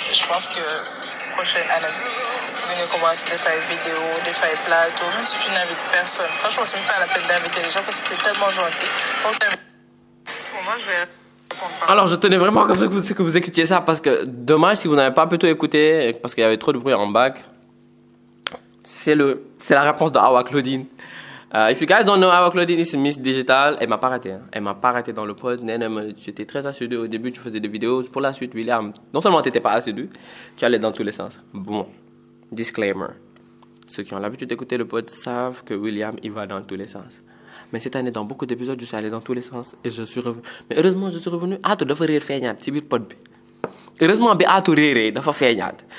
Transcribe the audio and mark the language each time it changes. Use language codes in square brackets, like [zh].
[fr] Je pense que prochaine année, venez commencer des failles vidéo, des failles plateau, même si tu n'invites personne. Franchement, c'est même pas la peine d'inviter les gens parce que c'est tellement gentil. Pour moi, je vais. Alors, je tenais vraiment à ce que vous écoutiez ça parce que dommage si vous n'avez pas pu tout écouter parce qu'il y avait trop de bruit en bac. C'est la réponse de Awa Claudine. [en] If you guys don't know, Awa Claudine is Miss Digital. [fr] Elle m'a pas raté. Hein. Elle m'a pas raté dans le pod. J'étais très assidu au début. Tu faisais des vidéos. Pour la suite, William, non seulement tu n'étais pas assidu, tu allais dans tous les sens. Bon, disclaimer. Ceux qui ont l'habitude d'écouter le pod savent que William, il va dans tous les sens. Mais cette année, dans beaucoup d'épisodes, je suis allé dans tous les sens et je suis revenu. Mais heureusement, je suis revenu. Ah, tu devrais rire, feignade. C'est le pod. Heureusement, tu devrais rire, feignade.